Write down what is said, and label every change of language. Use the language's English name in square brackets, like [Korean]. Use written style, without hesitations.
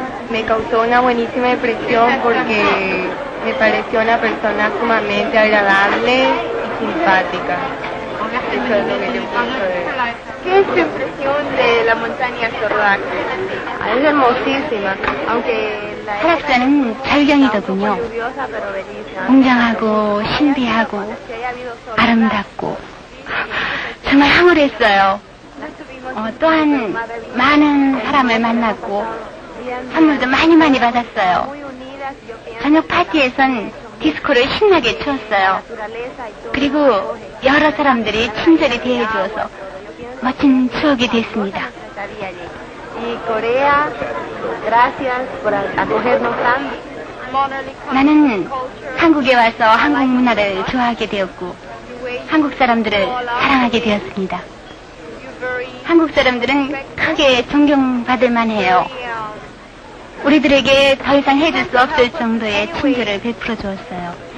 [Spanish] me causó una buenísima impresión porque me pareció una persona sumamente agradable y simpática. Eso es lo que yo pienso de él. ¿Qué es tu impresión de la montaña Sorda? Es hermosísima, aunque... [Korean] 프라스자는 절경이더군요. 웅장하고 신비하고 아름답고 정말 황홀했어요. 또한 많은 사람을 만났고 선물도 많이 많이 받았어요. 저녁 파티에선 디스코를 신나게 추었어요. 그리고 여러 사람들이 친절히 대해주어서 멋진 추억이 됐습니다. [Spanish] Corea, gracias por acogernos tan. [Korean] 나는 한국에 와서 한국 문화를 좋아하게 되었고 한국 사람들을 사랑하게 되었습니다. 한국 사람들은 크게 존경받을 만해요. 우리들에게 더 이상 해줄 수 없을 정도의 친절을 베풀어 주었어요.